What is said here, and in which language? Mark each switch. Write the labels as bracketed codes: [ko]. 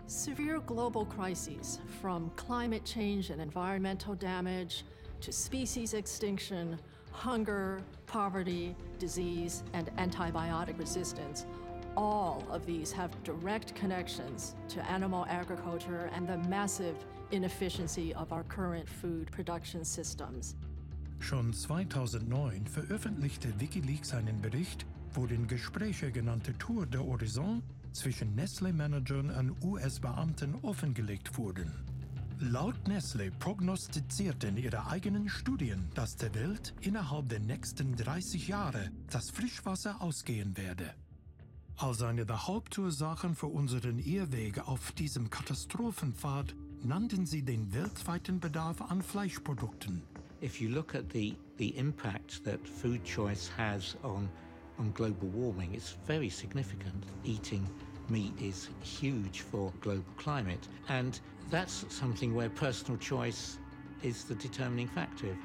[en] Severe global crises, from climate change and environmental damage to species extinction, hunger, poverty, disease, and antibiotic resistance, all of these have direct connections to animal agriculture and the massive inefficiency of our current food production systems. [de] Schon 2009 veröffentlichte WikiLeaks einen Bericht, wurden Gespräche, genannte Tour de Horizon, zwischen Nestlé-Managern und US-Beamten offengelegt wurden. Laut Nestlé prognostizierten ihre eigenen Studien, dass der Welt innerhalb der nächsten 30 Jahre das Frischwasser ausgehen werde. Als eine der Hauptursachen für unseren Irrweg auf diesem Katastrophenpfad nannten sie den weltweiten Bedarf an Fleischprodukten. [en] If you look at the impact that food choice has on global warming, it's very significant. Eating meat is huge for global climate. And that's something where personal choice is the determining factor.